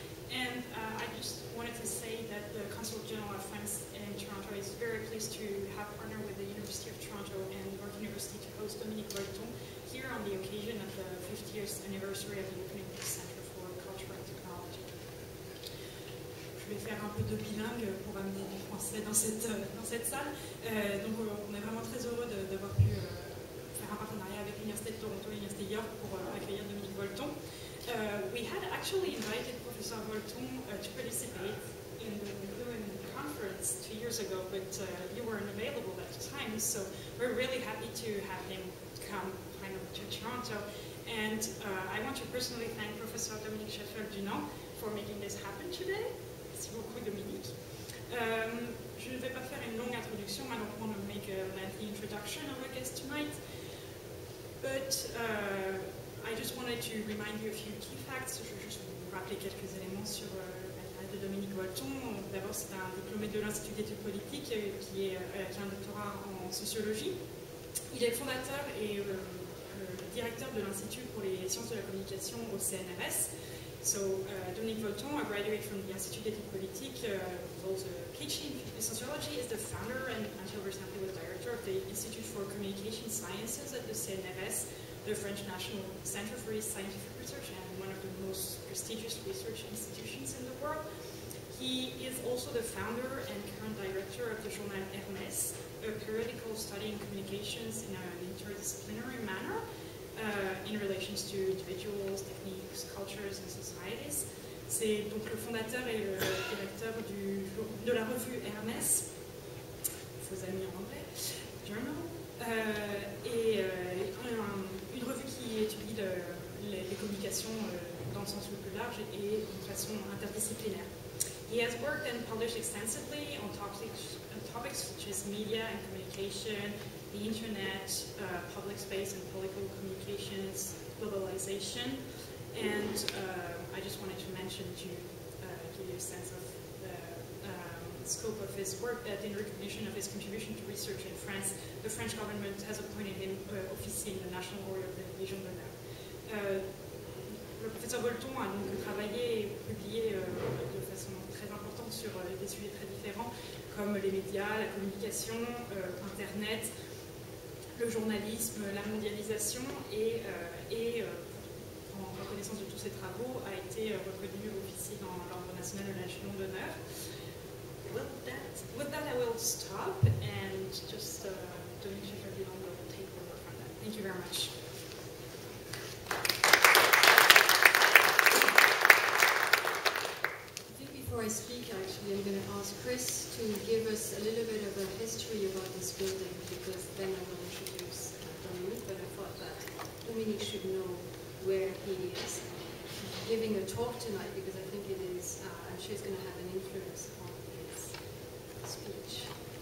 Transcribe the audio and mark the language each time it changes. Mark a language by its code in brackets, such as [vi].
[en] And I just wanted to say that the Consulate General of France in Toronto is very pleased to have partnered with the University of Toronto and York University to host Dominique Wolton here on the occasion of the 50th anniversary of the opening of the Center for Cultural Technology. [fr] Je vais faire un peu de bilingue pour amener du français dans cette salle. Donc on est vraiment très heureux d'avoir pu un partenariat avec l'Université de Toronto et l'Université de York pour accueillir Dominique Wolton. [en] We had actually invited Professor Wolton to participate in the McLuhan conference 2 years ago, but you weren't available at the time, so we're really happy to have him come finally to Toronto. And I want to personally thank Professor Dominique Schaeffer-Dunant for making this happen today. [fr] Merci beaucoup, Dominique. Je ne vais pas faire une longue introduction, [en] I don't want to make a lengthy introduction of our guest tonight. But I just wanted to remind you a few key facts. [fr] Je vais juste vous rappeler quelques éléments sur la date de Dominique Wolton. D'abord, c'est un diplômé de l'Institut d'études politiques qui a un doctorat en sociologie. Il est fondateur et directeur de l'Institut pour les sciences de la communication au CNRS. [en] So, Dominique Wolton, a graduate from the Institut d'études politiques, also teaching sociology, is the founder and until recently was director of the Institute for Communication Sciences at the CNRS, the French National Center for Scientific Research and one of the most prestigious research institutions in the world. He is also the founder and current director of the journal Hermès, a periodical studying communications in an interdisciplinary manner. In relations to individuals, techniques, cultures and societies. [fr] C'est donc le fondateur et le directeur de la revue Hermès, vos amis en anglais, journal, une revue qui étudie les communications dans le sens le plus large et de façon interdisciplinaire. [en] He has worked and published extensively on topics such as media and communication, the internet, public space and political communications, globalization, and I just wanted to mention to give you a sense of the scope of his work that in recognition of his contribution to research in France, the French government has appointed him officier in the National Order of the Légion d'honneur. [fr] Le professeur Wolton a donc travaillé et publié de façon très importante sur des sujets très différents comme les médias, la communication, internet, le journalisme, la mondialisation et en reconnaissance de tous ces travaux a été reconnu officier dans l'ordre national de la Légion d'honneur. [en] With that I will stop and just Dominique Chaffer-Villon will take over from that. Thank you very much. Before I speak, actually, I'm going to ask Chris to give us a little bit of a history about this building, because then I will introduce Dominique, but I thought that Dominique should know where he is giving a talk tonight, because I think it is, I'm sure it's going to have an influence on his speech.